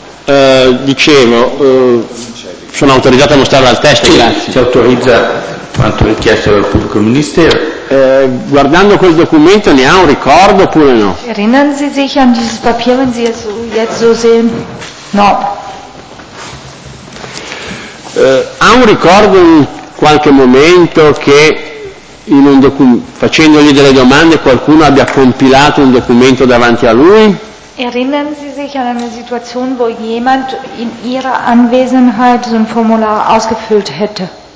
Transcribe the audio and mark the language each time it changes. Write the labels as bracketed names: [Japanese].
[Italian] Sono autorizzato a mostrare al test. Sì, grazie. Si autorizza quanto richiesto dal pubblico ministero. Guardando quel documento ne ha un ricordo oppure no? [German] Erinnern Sie sich an dieses Papier, wenn Sie es jetzt so sehen? [Italian] No. Ha un ricordo in qualche momento che in un facendogli delle domande qualcuno abbia compilato un documento davanti a lui? [German] Erinnern Sie sich an eine Situation, wo jemand in Ihrer Anwesenheit so ein Formular ausgefüllt hätte?